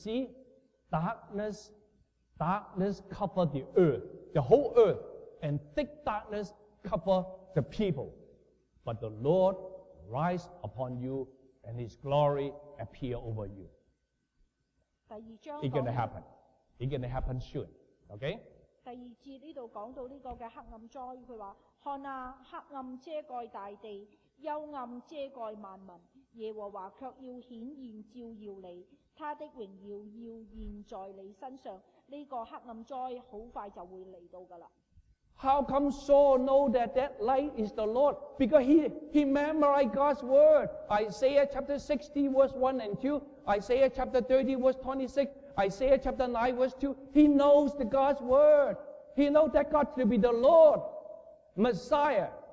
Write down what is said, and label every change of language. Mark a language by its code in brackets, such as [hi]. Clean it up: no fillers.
[en] See, darkness covered the earth, the whole earth, and thick darkness covered the people. But the Lord rise upon you and his glory appear over you. [zh] 第二章 [en] It's going to happen. It's going to happen soon. Okay? [zh] 第二节这里讲到这个的黑暗灾，他说，看啊，黑暗遮盖大地，幽暗遮盖万民，耶和华却要显现照耀你，他的荣耀要现在你身上。这个黑暗灾很快就会来到的了。 [en] How come Saul know that that light is the Lord? Because he memorized God's word. Isaiah chapter 60 verse 1 and 2. Isaiah chapter 30 verse 26. Isaiah chapter 9 verse 2. He knows the God's word. He knows that God to be the Lord, Messiah.